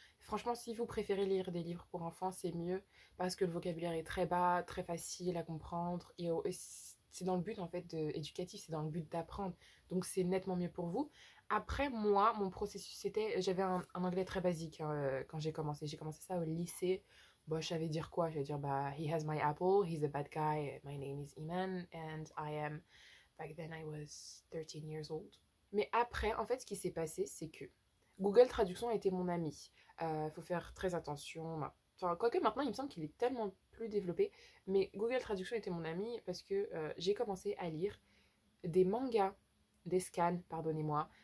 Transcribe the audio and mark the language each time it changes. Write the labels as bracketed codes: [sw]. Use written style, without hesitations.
[fr] Franchement, si vous préférez lire des livres pour enfants, c'est mieux parce que le vocabulaire est très bas, très facile à comprendre et c'est dans le but en fait éducatif, c'est dans le but d'apprendre. Donc c'est nettement mieux pour vous. Après moi, mon processus c'était, j'avais un anglais très basique quand j'ai commencé. J'ai commencé ça au lycée. Bon, je savais dire quoi? Je vais dire, bah, [en] he has my apple, he's a bad guy, my name is Iman, and I am. Back then, I was 13 years old. [fr] Mais après, en fait, ce qui s'est passé, c'est que Google Traduction a été mon ami. Faut faire très attention. Enfin, quoique maintenant, il me semble qu'il est tellement plus développé. Mais Google Traduction était mon ami parce que j'ai commencé à lire des mangas, des scans, pardonnez-moi.